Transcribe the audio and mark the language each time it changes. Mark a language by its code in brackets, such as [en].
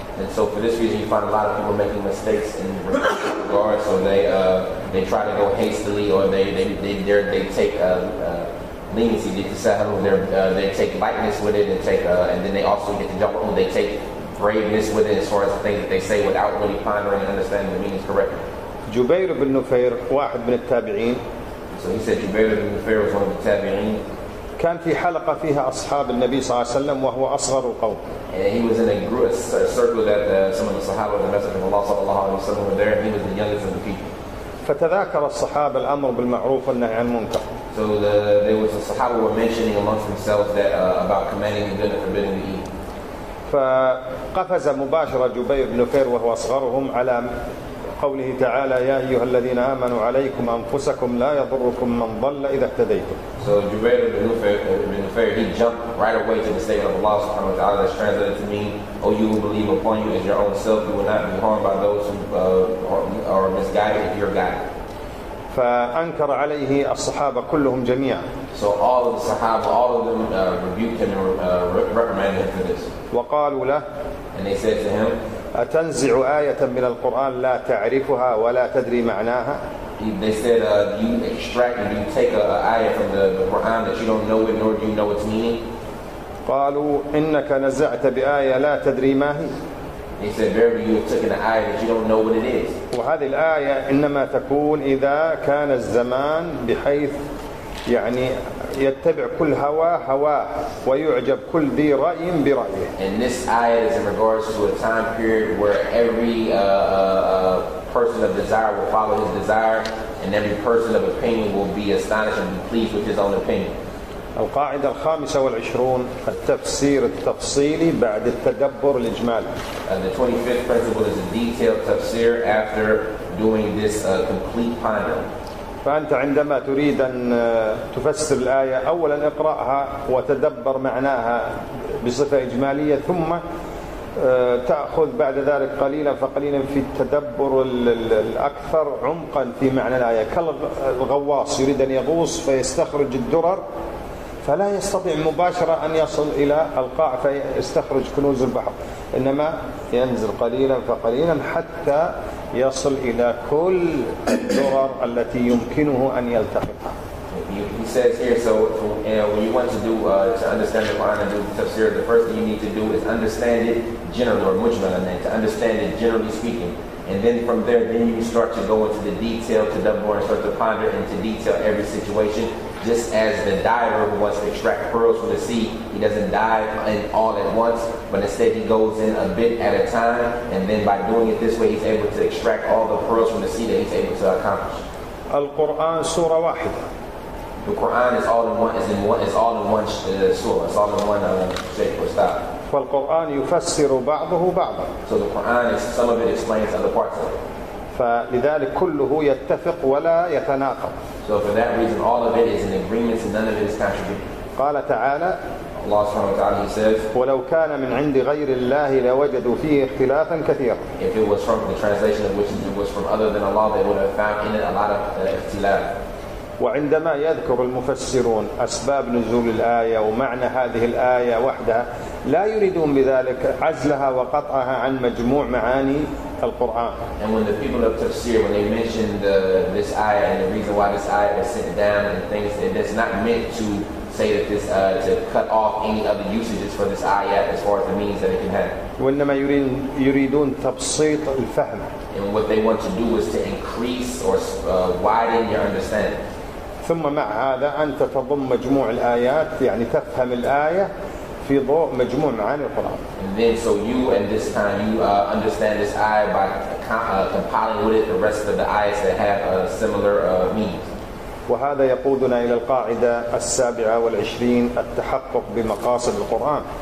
[en] And so for this reason, you find a lot of people making mistakes in regards. So they try to go hastily, or they take leniency, they take lightness with it, and then they also get to double, they take braveness with it as far as the things that they say without really pondering and understanding the meanings correctly. [ar] Jubair ibn Nufair, واحد من التابعين. [en] So he said Jubair ibn Nufair was one of the tabi'een. [ar] كان في حلقة فيها أصحاب النبي صلى الله عليه وسلم وهو أصغر القوم. [en] And he was in a circle that some of the Sahaba, the Messenger of Allah [ar] صلى الله عليه وسلم, [en] were there. And he was the youngest of the people. [ar] فتذاكر الصحابة الأمر بالمعروف والنهي عن المنكر. [en] So there was a Sahaba who were mentioning amongst themselves that about commanding the good and forbidding the evil. [ar] فقفز مباشرة جبير بن نفير وهو أصغرهم على قوله تعالى يا أيها الذين آمنوا عليكم أنفسكم لا يضركم من ضل إذا اهتديتم. [en] So Jubair ibn Nufair, he jumped right away to the statement of Allah subhanahu wa ta'ala that's translated to mean, O you who believe upon you as your own self, you will not be harmed by those who are misguided if you're guided. [ar] فأنكر عليه الصحابة كلهم جميعا. [en] So all of the Sahaba, all of them rebuked him and reprimanded him for this. [ar] وقالوا له, [en] and they said to him, [ar] أتنزع آية من القرآن لا تعرفها ولا تدري معناها؟ [en] They said, do you extract and do you take an ayah from the Quran that you don't know it nor do you know its meaning? [ar] قالوا إنك نزعت بآية لا تدري ما هي. [en] He said, verily you have taken an ayah that you don't know what it is. [ar] وهذه الآية إنما تكون إذا كان الزمان بحيث يعني يتبع كل هوى هواه ويعجب كل ذي رأي برأيه. [en] And this ayah is in regards to a time period where every person of desire will follow his desire, and every person of opinion will be astonished and be pleased with his own opinion. [ar] القاعدة الخامسة والعشرون التفسير التفصيلي بعد التدبر الإجمالي. [en] And the 25th principle is a detailed tafsir after doing this complete pondering. [ar] فأنت عندما تريد أن تفسر الآية أولا اقرأها وتدبر معناها بصفة إجمالية, ثم تأخذ بعد ذلك قليلا فقليلا في التدبر الأكثر عمقا في معنى الآية, كالغواص يريد أن يغوص فيستخرج الدرر فلا يستطيع مباشرة أن يصل إلى القاع فيستخرج كنوز البحر, إنما ينزل قليلا فقليلا حتى يصل إلى كل الدرر التي يمكنه أن يلتقطها. [en] He says here, so when you want to do to understand the Quran and do the tafsir, the first thing you need to do is understand it generally or mujmalan, to understand it generally speaking, and then from there, then you start to go into the detail to dabbur and start to ponder into detail every situation. Just as the diver who wants to extract pearls from the sea, he doesn't dive in all at once, but instead he goes in a bit at a time, and then by doing it this way, he's able to extract all the pearls from the sea that he's able to accomplish. [ar] Al-Quran Surah Wahida. [en] The Quran is all in one. Is in one. Is all in one surah. It's all in one shape or style. [ar] فالقرآن يفسر بعضه بعضا. [en] So the Quran is some of it explains other parts of it. [ar] فلذلك كله يتفق ولا يتناقض. [en] So for that reason, all of it is in agreement and none of it is contradictory. [ar] قال تعالى, [en] Allah subhanahu wa ta'ala, he says, [ar] ولو كان من عند غير الله لوجدوا فيه اختلافا كثيرا. [en] If it was from the translation of which it was from other than Allah, they would have found in it a lot of اختلاف. [ar] وعندما يذكر المفسرون أسباب نزول الآية ومعنى هذه الآية وحدها لا يريدون بذلك عزلها وقطعها عن مجموع معاني القرآن. [en] And when the people of tafsir, when they mention this ayah and the reason why this ayah is sent down and things, it's not meant to say that this to cut off any other usages for this ayah as far as the means that it can have. [ar] وإنما يريدون تبسيط الفهم. [en] And what they want to do is to increase or widen your understanding. [ar] ثم مع هذا أنت تضم مجموع الآيات, يعني تفهم الآية في ضوء مجموع معاني القرآن. [en] And then so you and this time you understand this ayah by compiling with it the rest of the ayahs that have a similar meaning. [ar] وهذا يقودنا إلى القاعدة 27 التحقق بمقاصد القرآن.